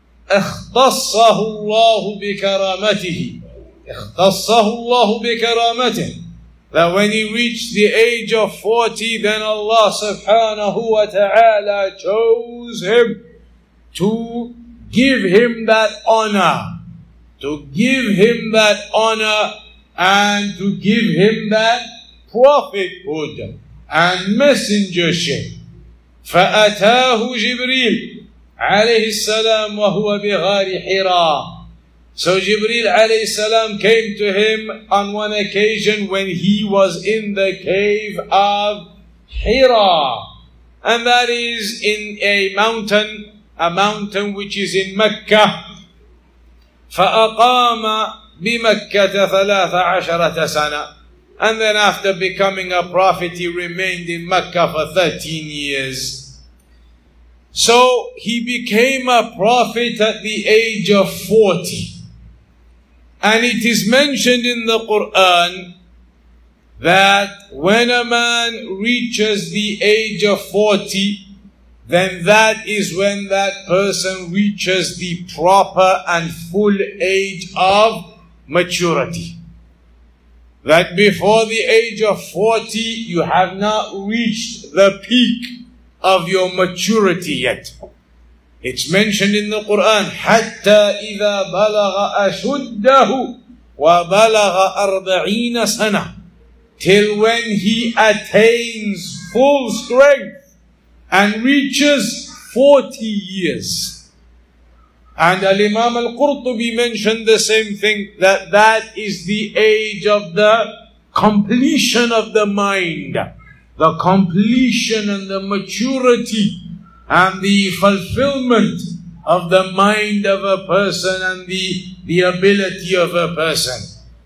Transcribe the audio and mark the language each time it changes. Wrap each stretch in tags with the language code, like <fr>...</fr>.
<ar>اختصه الله بكرامته اختصه الله بكرامته,</ar> <en>that when he reached the age of 40, then Allah subhanahu wa ta'ala chose him to give him that honor, to give him that honor and to give him that prophethood and messengership.</en> <ar>فأتاه جبريل, عليه السلام وهو بغار حراء.</ar> <en>So Jibreel alayhi salam came to him on one occasion when he was in the cave of Hira. And that is in a mountain which is in Mecca.</en> <ar>فَأَقَامَ بِمَكَّةَ 13 سنة.</ar> <en>And then after becoming a prophet, he remained in Mecca for 13 years. So he became a prophet at the age of 40. And it is mentioned in the Quran that when a man reaches the age of 40, then that is when that person reaches the proper and full age of maturity. That before the age of 40, you have not reached the peak of your maturity yet. It's mentioned in the Quran,</en> <ar>حَتَّى إِذَا بَلَغَ أَشُدَّهُ وَبَلَغَ 40 سَنَةً.</ar> <en>Till when he attains full strength and reaches 40 years. And Al-Imam Al-Qurtubi mentioned the same thing, that that is the age of the completion of the mind, the completion and the maturity and the fulfillment of the mind of a person and the ability of a person.</en>